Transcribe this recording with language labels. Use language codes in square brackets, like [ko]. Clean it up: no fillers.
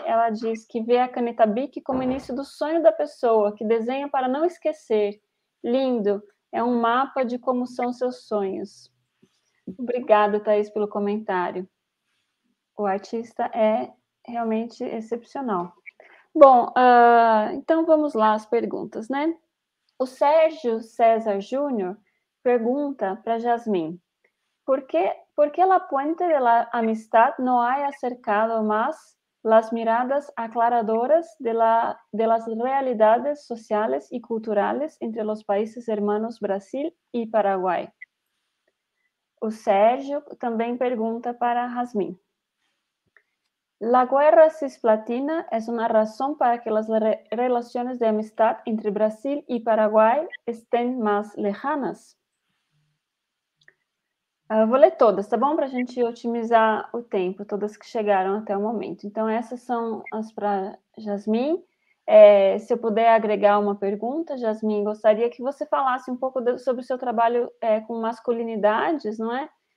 [pt] Ela diz que vê a caneta Bic como início do sonho da pessoa, que desenha para não esquecer. Lindo, é um mapa de como são seus sonhos. Obrigada, Thais, pelo comentário. O artista é realmente excepcional. Bom, então vamos lá às perguntas, né? O Sérgio César Júnior pergunta para Jasmin: [es] por que la puente de la amistad no hay acercado más las miradas aclaradoras de las realidades sociales y culturales entre los países hermanos Brasil y Paraguay? [pt] O Sérgio também pergunta para Jasmin. [es] La guerra cisplatina es una razón para que las relaciones de amistad entre Brasil y Paraguay estén más lejanas. [pt] Eu vou ler todas, tá bom? Para a gente otimizar o tempo, todas que chegaram até o momento. Então, essas são as para Jasmin. Se eu puder agregar uma pergunta, Jasmin, gostaria que você falasse um pouco sobre o seu trabalho com masculinidades, não é?